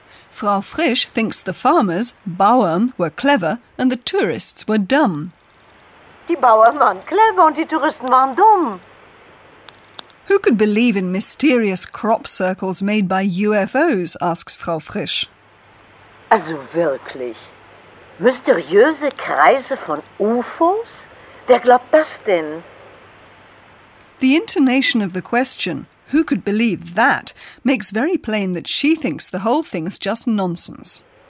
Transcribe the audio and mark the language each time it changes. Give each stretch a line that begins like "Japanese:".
English: Frau Frisch thinks the farmers, Bauern, were clever and the tourists were dumb.
German: Die Bauern waren clever und die Touristen waren dumm.
English: Who could believe in mysterious crop circles made by UFOs, asks Frau Frisch.
German: Also wirklich? Mysteriöse Kreise von UFOs? Wer glaubt das denn?
English: The intonation of the question, who could believe that, makes very plain that she thinks the whole thing is just nonsense.